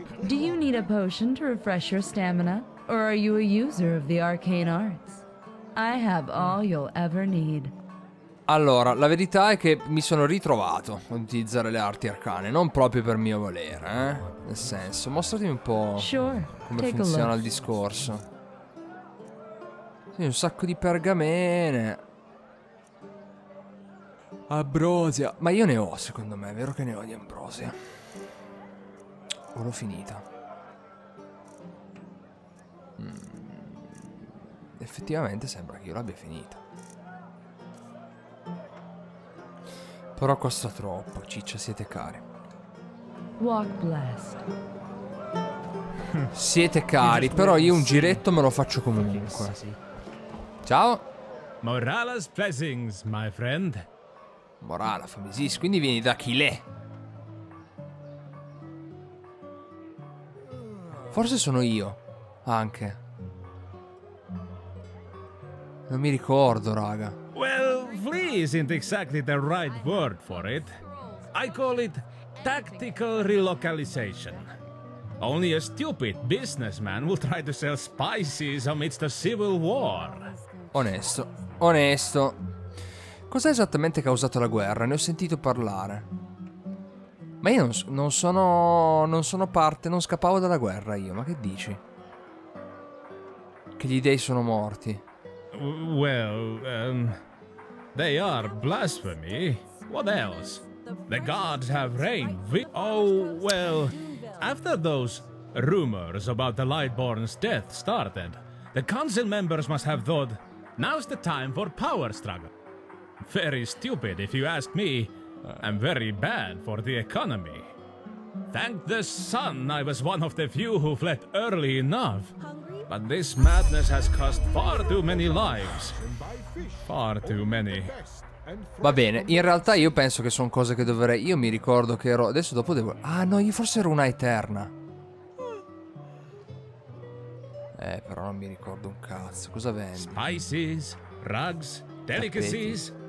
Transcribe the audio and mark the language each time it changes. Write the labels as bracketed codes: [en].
[en] Do you need a potion to refresh your stamina? Or are you a user of the arcane arts? I have all you'll ever need. [it] Allora, la verità è che mi sono ritrovato a utilizzare le arti arcane, non proprio per mio volere, eh? Nel senso, mostrati un po' come funziona il discorso. Sì, un sacco di pergamene. Ambrosia. Ma io ne ho, secondo me, è vero che ne ho di ambrosia. L'ho finita. Effettivamente sembra che io l'abbia finita. Però costa troppo, ciccia, siete cari. [en] Walk blessed. [it] Siete cari, però io un giretto me lo faccio comunque. Ciao. [en] Morala's blessings, my friend. [it] Morala, famisis, quindi vieni da Kile. Forse sono io. Anche. Non mi ricordo, raga. [en] Well, flee isn't exactly the right word for it. I call it tactical relocalization. Only a stupid businessman will try to sell spices amidst a civil war. [it] Onesto. onesto. Cosa ha esattamente causato la guerra? Ne ho sentito parlare. Ma io non sono parte, non scappavo dalla guerra io, ma che dici? Che gli dei sono morti. [en] Well, they are blasphemy. What else? The gods have reigned. Well, after those rumors about the Lightborn's death started, the council members must have thought, now's the time for power struggle. Very stupid, if you ask me. I'm very bad for the economy. Thank the sun, I was one of the few who fled early enough. But this madness has cost far too many lives. Far too many. [it] Va bene, in realtà io penso che sono cose che dovrei... Io mi ricordo che ero... Adesso dopo devo... Ah no, io forse ero una Eterna. Però non mi ricordo un cazzo. Cosa vendi? [en] Spices, rugs, delicacies...